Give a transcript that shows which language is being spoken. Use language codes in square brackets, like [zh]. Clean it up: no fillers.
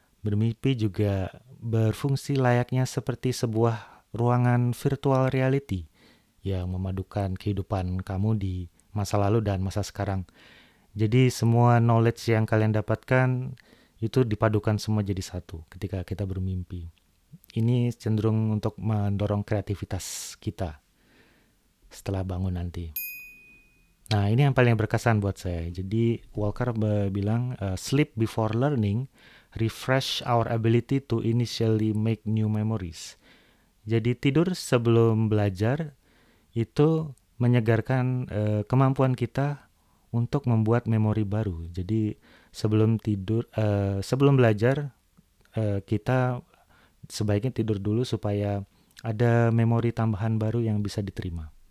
[id] Bermimpi juga berfungsi layaknya seperti sebuah ruangan virtual reality yang memadukan kehidupan kamu di masa lalu dan masa sekarang. Jadi semua knowledge yang kalian dapatkan itu dipadukan semua jadi satu ketika kita bermimpi. Ini cenderung untuk mendorong kreativitas kita setelah bangun nanti. Nah, ini yang paling berkesan buat saya. Jadi Walker bilang, [en] sleep before learning refresh our ability to initially make new memories. [id] Jadi tidur sebelum belajar itu menyegarkan kemampuan kita untuk membuat memori baru. Jadi sebelum belajar, kita sebaiknya tidur dulu supaya ada memori tambahan baru yang bisa diterima.